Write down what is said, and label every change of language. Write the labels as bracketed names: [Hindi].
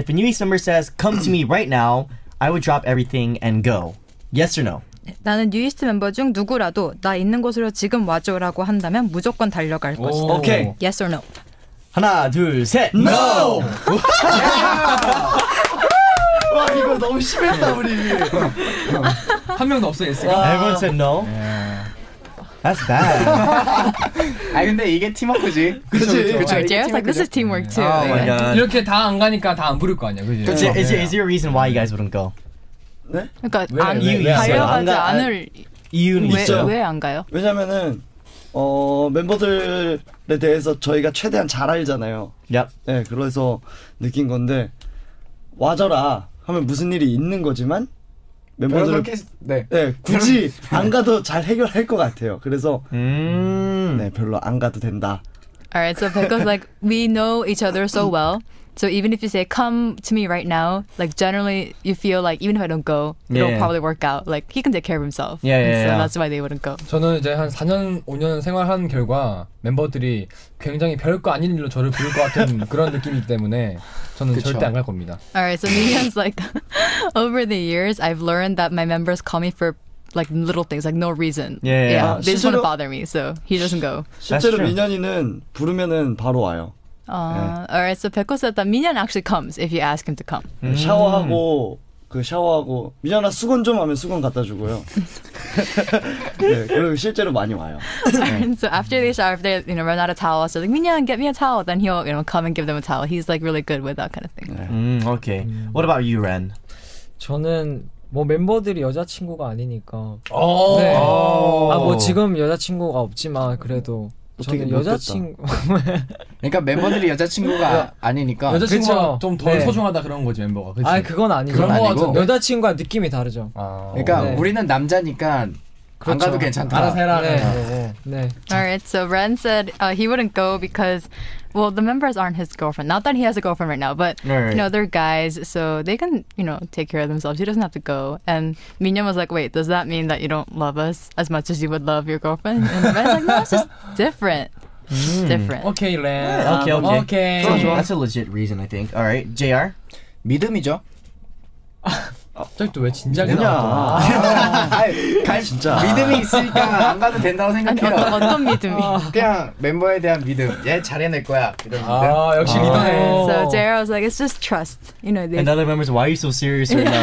[English] If a newbie swimmer says, come to me right now, I would drop everything and go. Yes or no? [Korean] 나는 뉴이스트 멤버 중 누구라도 나 있는 곳으로 지금 와줘라고 한다면 무조건 달려갈 것이다. [English] Okay. Yes or no? [Korean] 하나, 둘, 셋. [English] No! [Korean] 와, 이거 너무 심했다, 우리. 한 명도 없어, 예스가. [English] Everyone said no? That's bad. [Korean] 아 근데 이게 팀워크지. 그렇지. 그렇지. [English] This is teamwork too. Oh my god. [Korean] 이렇게 다 안 가니까 다 안 부를 거 아니야. 그렇지. [English] Is there a reason why you guys wouldn't go? [Korean] 네? 그러니까 안 달려가지 않을 이유는 있어. 왜 안 가요? 왜냐면은 멤버들에 대해서 저희가 최대한 잘 알잖아요. 얍. 네, 그래서 느낀 건데 와줘라 하면 무슨 일이 있는 거지만 멤버들을 그렇게, 네. 네, 굳이 안 가도 잘 해결할 것 같아요. 그래서 네, 별로 안 가도 된다. [English] Alright, so because like we know each other so well. So even if you say, come to me right now, like generally you feel like even if I don't go, it'll probably work out. Like he can take care of himself. Yeah. So that's why they wouldn't go. [Korean] 저는 이제 한 4년, 5년 생활한 결과 멤버들이 굉장히 별거 아닌 일로 저를 부를 것 같은 그런 느낌이기 때문에 저는 그쵸. 절대 안 갈 겁니다. [English] Alright, so Minhyun's like, over the years, I've learned that my members call me for like little things, like no reason. Yeah. They just want to bother me, so he doesn't go. [Korean] 실제로 민현이는 부르면은 바로 와요. [English] Yeah. Alright, so Pekko said that Minhyun actually comes if you ask him to come. [Korean] 샤워하고 그 샤워하고 민현아 수건 좀 하면 수건 갖다 주고요. 네, 그리고 실제로 많이 와요. [English] Alright, so after they shower, if they you know run out of towels, so like Minhyun, get me a towel. Then he'll you know come and give them a towel. He's like really good with that kind of thing. Yeah. Okay. What about you, Ren? [Korean] 저는 뭐 멤버들이 여자친구가 아니니까. 오. 네. 오. 아 뭐 지금 여자친구가 없지만 그래도. 저는 여자친구 그러니까 멤버들이 여자친구가 아니니까 여자친구가 좀 덜 네. 소중하다 그런 거지 멤버가 아 그건 아니죠 그런 거 아니고 여자친구와 느낌이 다르죠 아, 그러니까 네. 우리는 남자니까 그렇죠. 안 가도 괜찮다 알아서 해라 네, 네, 네. 네. [English] Alright, so Ren said he wouldn't go because well, the members aren't his girlfriend not that he has a girlfriend right now but right. you know, they're guys so they can, you know, take care of themselves he doesn't have to go and Minhyun was like wait, does that mean that you don't love us as much as you would love your girlfriend? And Ren's like, no, it's just different different Okay, Ren Okay. So, that's a legit reason, I think Alright, JR [Korean] 믿음이죠 갑자기 또 왜 진작에 나왔더라 아니, 진짜 믿음이 있으니까 안 가도 된다고 생각해요 아니, 어떤 믿음이? 그냥 멤버에 대한 믿음 얘 잘해낼 거야 이런 아, 믿음 역시 리더네 [English] So JR was like, it's just trust you know, And other members, why are you so serious right now?